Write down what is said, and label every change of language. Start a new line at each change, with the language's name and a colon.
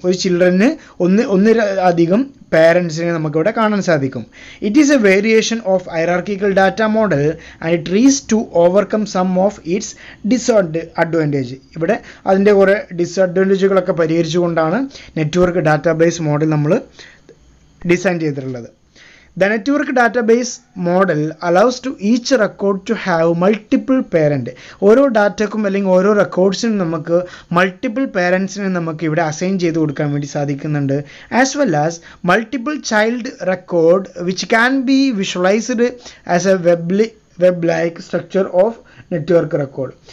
Malayalam: ഒരു ചിൽഡ്രന് ഒന്നിലധികം പേരൻസിനെ നമുക്കിവിടെ കാണാൻ സാധിക്കും.
English: It is a variation of hierarchical data model and it tries to overcome some of its advantage.
Malayalam: ഇവിടെ അതിൻ്റെ കുറേ ഡിസ്അഡ്വാൻറ്റേജുകളൊക്കെ പരിഹരിച്ചുകൊണ്ടാണ് നെറ്റ്വർക്ക് ഡാറ്റാബേസ് മോഡൽ നമ്മൾ ഡിസൈൻ ചെയ്തിട്ടുള്ളത്.
English: The network database model allows to each record to have multiple parent.
Malayalam: ഓരോ ഡാറ്റയ്ക്കും അല്ലെങ്കിൽ ഓരോ റെക്കോർഡ്സിനും നമുക്ക് multiple പേരൻസിനെ നമുക്ക് ഇവിടെ അസൈൻ ചെയ്ത് കൊടുക്കാൻ വേണ്ടി സാധിക്കുന്നുണ്ട്.
English: As well as multiple child record which can be visualised as a web like structure of network record.